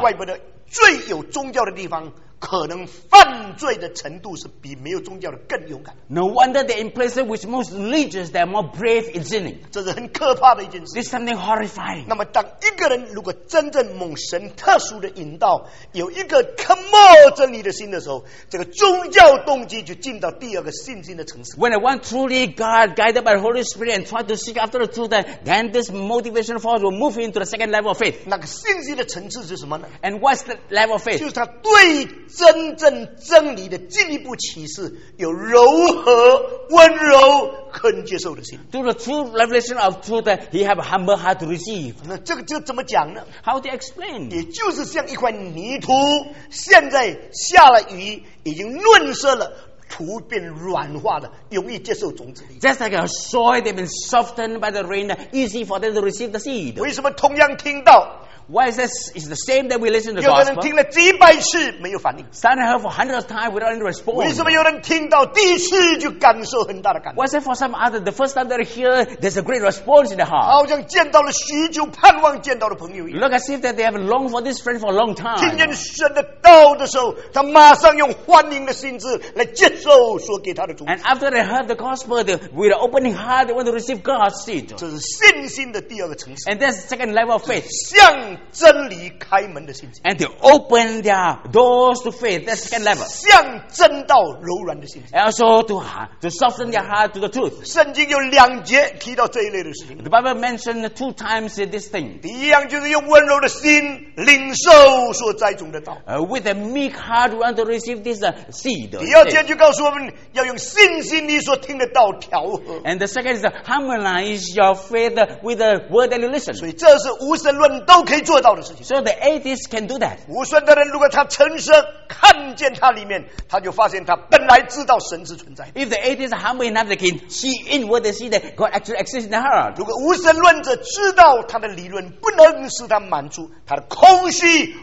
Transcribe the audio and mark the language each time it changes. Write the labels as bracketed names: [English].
[Chinese] 怪不得最有宗教的地方，可能犯罪的程度是比没有宗教的更勇敢。 [English] No wonder that in places with most religions, they are more brave in sinning. [Chinese] 这是很可怕的一件事。 [English] This is something horrifying. [Chinese] 那么，当一个人如果真正蒙神特殊的引导，有一个渴慕真理的心的时候，这个宗教动机就进到第二个信心的层次。 [English] When one truly God guided by the Holy Spirit and tried to seek after the truth, then this motivation force will move into the second level of faith. [Chinese] 那个信心的层次是什么呢 [English] ？And what's the level of faith? [Chinese] 就是他对真正真理的进一步启示有柔和温柔可能接受的心 [English] To the true revelation of truth that he have a humble heart to receive [Chinese] 那这个怎么讲呢 [English] How do you explain [Chinese] 也就是像一块泥土现在下了雨已经润色了土变软化了容易接受种子 [English] 的 Just like a soil they've been softened by the rain easy for them to receive the seed [Chinese] 为什么同样听到 [English] Why is this? It's the same that we listen to the gospel. [Chinese] 有的人听了几百次没有反应。 [English] Some heard for hundreds of times without any response. [Chinese] 为什么有人听到第一次就感受很大的感动 [English] Why is it for some others, the first time they hear, there's a great response in the heart. [Chinese] 好像见到了许久盼望见到的朋友一样。 [English] Look as if that they have longed for this friend for a long time. [Chinese] 听见神的道的时候，他马上用欢迎的心智来接受所给他的主。 [English] And after they heard the gospel, with an opening heart, they want to receive God's seed. [Chinese] 这是信心的第二个层次。 [English] And that's the second level of faith. [Chinese] 向真理开门的信心 [English] and to open their doors to faith that's second level [Chinese] 向真道柔软的信心 [English] and also to soften their heart to the truth [Chinese] 圣经有两节提到这一类的事情 [English] the Bible mentioned two times this thing [Chinese] 第一样就是用温柔的心领受所栽种的道 [English] with with a meek heart want to receive this seed. [Chinese] 第二节就告诉我们, 要用信心你所听的道调和。 [English] And the second is to harmonize your faith with the word that you listen. [Chinese] 所以这是无神论都可以做到的事情。 [English] So the atheist can do that. [Chinese] 无神的人如果他诚实看见他里面, 他就发现他本来知道神之存在。 [English] If the atheist humble enough, they can see in what they see that God actually exists in the heart. [Chinese] 如果无神论者知道他的理论不能使他满足, 他的空虚,